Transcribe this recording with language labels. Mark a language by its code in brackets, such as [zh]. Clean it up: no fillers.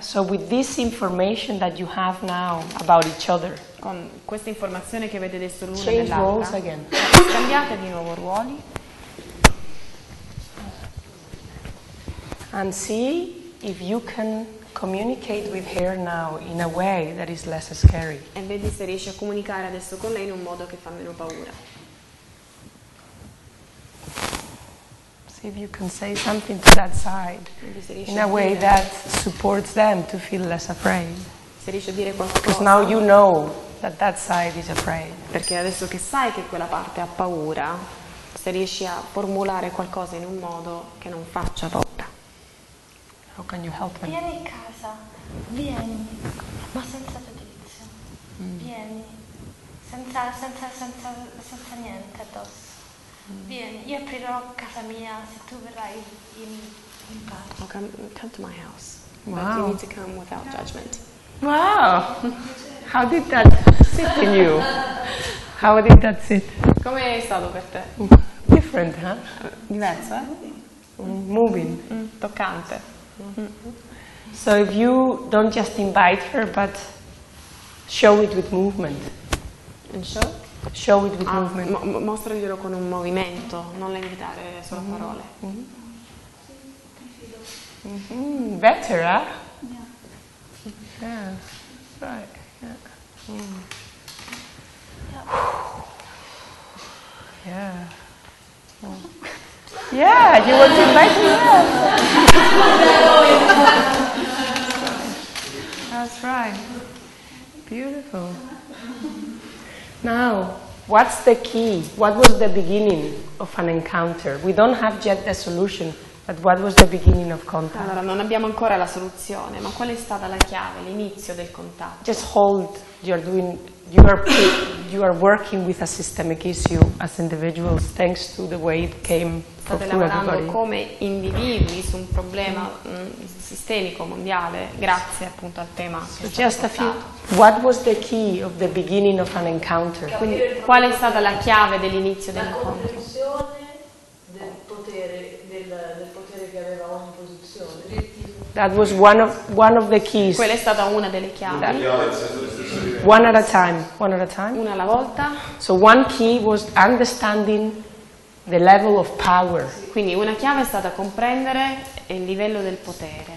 [en] So with this information that you have now about each other, [it] con questa informazione che avete adesso l'uno [en] change [it] dell'altra, [en] roles again. [it] Cambiate di nuovo ruoli. [en] And see if you can communicate with her now in a way that is less scary. [it] E vedi se riesci a comunicare adesso con lei in un modo che fa meno paura. [en] If you can say something to that side in a way that supports them to feel less afraid. [it] Se riesci a dire qualcosa. [en] Because now you know that side is afraid. [it] Perché adesso che sai che quella parte ha paura, se riesci a formulare qualcosa in un modo che non faccia paura. [en] How can you help them? [it] Vieni in casa, vieni, ma senza giudizio. Vieni, senza niente addosso. Vieni, io aprirò casa mia se tu verrai in pace. [en] Well, come to my house. Wow. But you need to come without judgment. Wow! How did that sit in you? How did that sit? [it] Come è stato per te? [en] Different, huh? [it] Diverso, eh? [en] Moving. [it] Toccante. [en] So if you don't just invite her, but show it with movement. And show? Show it with movement. [it] Mostraglielo con un movimento, non la invitare solo a parole. [en] Better, eh? Yeah. Yeah. Right. Yeah. Yeah. Yeah, you want to invite me? That's right. Beautiful. Now, what's the key? What was the beginning of an encounter? We don't have yet the solution, but what was the beginning of contact? [it] Allora, non abbiamo ancora la soluzione, ma qual è stata la chiave, l'inizio del contatto? [en] Just hold. You are working with a systemic issue as individuals, thanks to the way it came for everybody. [it] State lavorando come individui su un problema sistemico mondiale, grazie appunto al tema. [en] So just a few. What was the key of the beginning of an encounter? [it] Quindi, qual è stata la chiave dell'inizio dell'incontro? La comprensione del potere che aveva ogni posizione. [en] That was one of the keys. [it] Quella è stata una delle chiavi. That. [en] One at a time. [it] Una alla volta. [en] So one key was understanding the level of power. [it] Quindi una chiave è stata comprendere il livello del potere.